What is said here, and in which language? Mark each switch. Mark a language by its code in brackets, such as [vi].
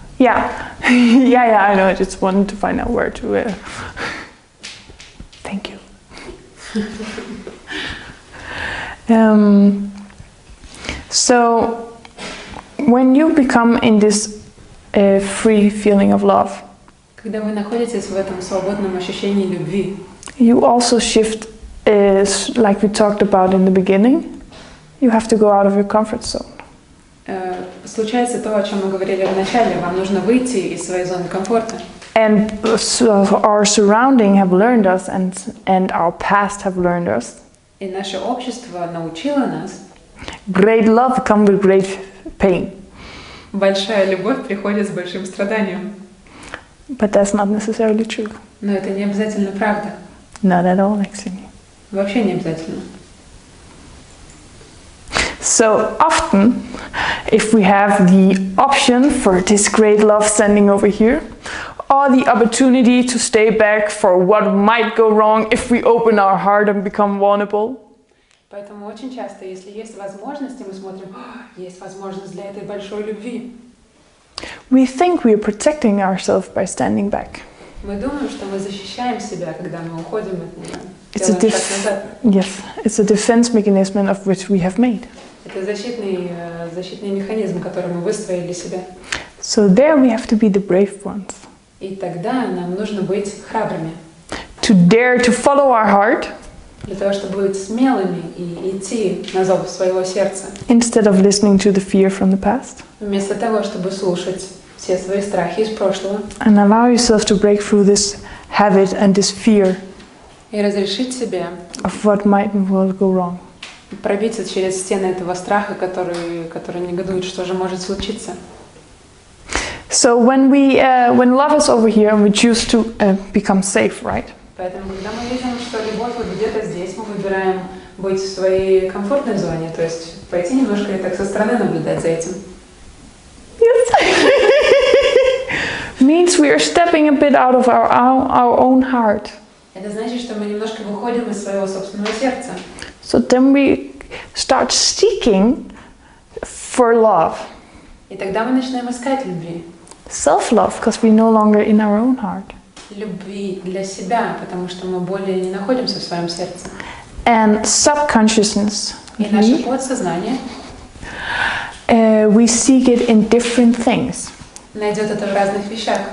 [en] yeah, I know, I just wanted to find out where to live. Thank you. So, when you become in this free feeling of love, [ru] когда вы находитесь в этом свободном ощущении любви, [en] you also shift, like we talked about in the beginning, you have to go out of your comfort zone. [ru] Случается то, о чем мы говорили в начале, вам нужно выйти из своей зоны комфорта. [en] And so our surrounding have learned us, and our past have learned us. [ru] И наше общество научило нас. [en] Great love comes with great pain. [ru] Большая любовь приходит с большим страданием. [en] But that's not necessarily true. [ru] Но это не обязательно правда. [en] Not at all, actually. [ru] Вообще не обязательно. [en] So often, if we have the option for this great love sending over here, or the opportunity to stay back for what might go wrong if we open our heart and become vulnerable. [ru] Поэтому очень часто, если есть возможность, мы смотрим, есть возможность для этой большой любви. [en] We think we are protecting ourselves by standing back. [ru] Мы думаем, что мы защищаем себя, когда мы уходим от нее. [en] It's a yes, it's a defense mechanism of which we have made. [ru] Это защитный механизм, который мы выстроили себе. [en] So there we have to be the brave ones. [ru] И тогда нам нужно быть храбрыми. [en] To dare to follow our heart. [ru] Для того, чтобы быть смелыми и идти на зов своего сердца. [en] Instead of listening to the fear from the past. [ru] Вместо того, чтобы слушать все свои страхи из прошлого. [en] And allow yourself to break through this habit and this fear. [ru] И разрешить себе. [en] Of what might go wrong. [ru] Пробиться через стены этого страха, который негодует, что же может случиться. [en] So when we when love is over here and we choose to become safe, right? [ru] Поэтому когда мы видим, что любовь вот где-то здесь, мы выбираем быть в своей комфортной зоне, то есть пойти немножко и так со стороны наблюдать за этим. [en] Yes. Means we are stepping a bit out of our own heart. [ru] Это значит, что мы немножко выходим из своего собственного сердца. [en] So then we start seeking for love. [ru] И тогда мы начинаем искать любви. [en] Self-love, because we're no longer in our own heart. [ru] Любви для себя, потому что мы более не находимся в своем сердце. [en] And subconsciousness. [ru] И наше подсознание. [en] We seek it in different things. [ru] Найдет это в разных вещах.